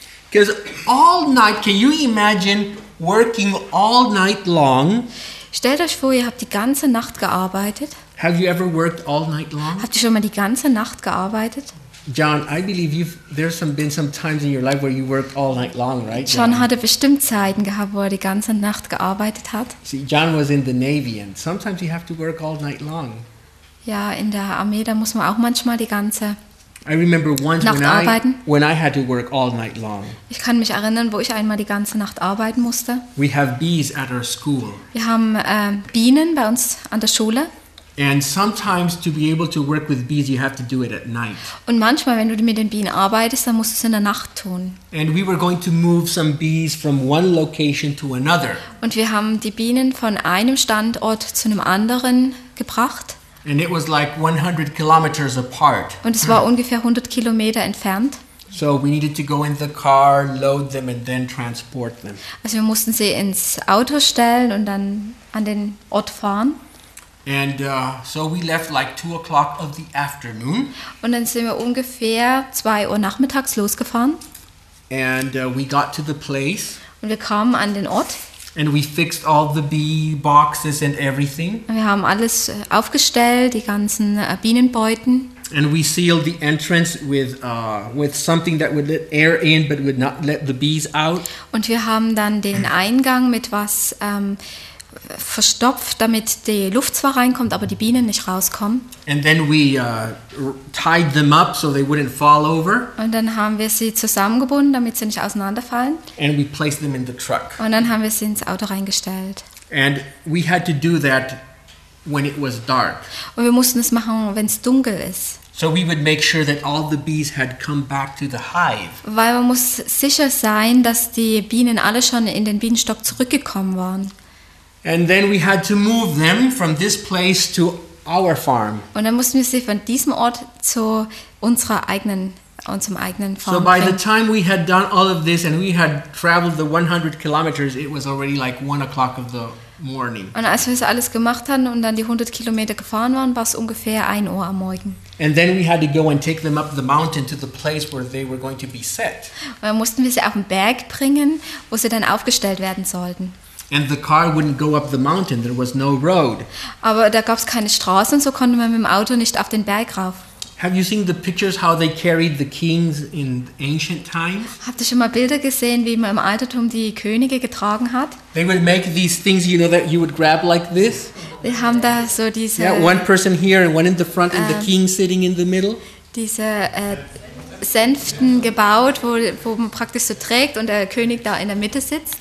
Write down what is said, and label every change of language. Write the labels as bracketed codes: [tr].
[en] Because all night, can you imagine working all night long? [de] Stellt euch vor, ihr habt die ganze Nacht gearbeitet. [en] Have you ever worked all night long? [de] Habt ihr schon mal die ganze Nacht gearbeitet? [en] John, I believe been some times in your life where you worked all night long, right? [de] John hatte bestimmt Zeiten gehabt, wo er die ganze Nacht gearbeitet hat. [en] See, John was in the Navy and sometimes you have to work all night long. [de] Ja, in der Armee, da muss man auch manchmal die ganze [en] I remember once [de] Nacht arbeiten. [en] When I had to work all night long. [de] Ich kann mich erinnern, wo ich einmal die ganze Nacht arbeiten musste. [en] We have bees at our school. [de] Wir haben Bienen bei uns an der Schule. [en] And sometimes to be able to work with bees, you have to do it at night. [de] Und manchmal, wenn du mit den Bienen arbeitest, dann musst du es in der Nacht tun. [en] And we were going to move some bees from one location to another. [de] Und wir haben die Bienen von einem Standort zu einem anderen gebracht. [en] And it was like 100 kilometers apart. [de] Und es war ungefähr 100 Kilometer entfernt. [en] So we needed to go in the car, load them and then transport them. [de] Also wir mussten sie ins Auto stellen und dann an den Ort fahren. [en] And so we left like 2 o'clock of the afternoon. [de] Und dann sind wir ungefähr 2 Uhr nachmittags losgefahren. [en] And we got to the place. [de] Und wir kamen an den Ort. [en] And we fixed all the bee boxes and everything. [de] Wir haben alles aufgestellt, die ganzen Bienenbeuten. [en] And we sealed the entrance with something that would let air in but would not let the bees out. [de] Und wir haben dann den Eingang mit was verstopft, damit die Luft zwar reinkommt, aber die Bienen nicht rauskommen. [en] And then we tied them up so they wouldn't fall over. [de] Und dann haben wir sie zusammengebunden, damit sie nicht auseinanderfallen. [en] And we placed them in the truck. [de] Und dann haben wir sie ins Auto reingestellt. [en] And we had to do that when it was dark. [de] Und wir mussten es machen, wenn es dunkel ist. [en] So we would make sure that all the bees had come back to the hive. [de] Weil man muss sicher sein, dass die Bienen alle schon in den Bienenstock zurückgekommen waren. [en] And then we had to move them from this place to our farm. [de] Und dann mussten wir sie von diesem Ort zu unserer eigenen unserem eigenen Farm. [en] So by the time we had done all of this and we had traveled the 100 kilometers, it was already like 1 o'clock of the morning. [de] Und als wir es alles gemacht hatten und dann die 100 Kilometer gefahren waren, war es ungefähr 1 Uhr am Morgen. [en] And then we had to go and take them up the mountain to the place where they were going to be set. [de] Und dann mussten wir sie auf den Berg bringen, wo sie dann aufgestellt werden sollten. [en] And the car wouldn't go up the mountain. There was no road. [de] Aber da gab's keine Straßen, so konnte man mit dem Auto nicht auf den Berg rauf. [en] Have you seen the pictures how they carried the kings in ancient times? [de] Habt ihr schon mal Bilder gesehen, wie man im Altertum die Könige getragen hat? [en] They would make these things, you know, that you would grab like this. [de] Die haben da so diese. [en] Yeah, one person here and one in the front, and the king sitting in the middle. [de] Diese Sänften gebaut, wo man praktisch so trägt und der König da in der Mitte sitzt.